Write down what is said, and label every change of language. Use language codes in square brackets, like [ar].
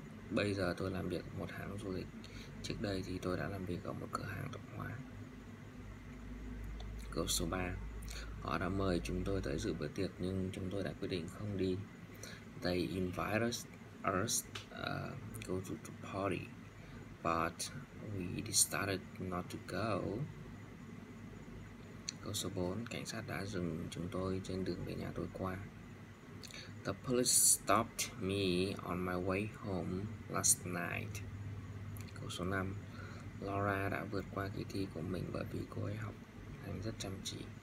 [vi] Bây giờ tôi làm việc một hãng du lịch. Trước đây thì tôi đã làm việc ở một cửa hàng tạp hóa. Câu số 3, họ đã mời chúng tôi tới dự bữa tiệc nhưng chúng tôi đã quyết định không đi. [en] They invited us go to the party, but we decided not to go. [vi] Câu số 4, cảnh sát đã dừng chúng tôi trên đường về nhà tôi qua. [en] The police stopped me on my way home last night. [vi] Câu số 5, Laura đã vượt qua kỳ thi của mình bởi vì cô ấy học hành rất chăm chỉ.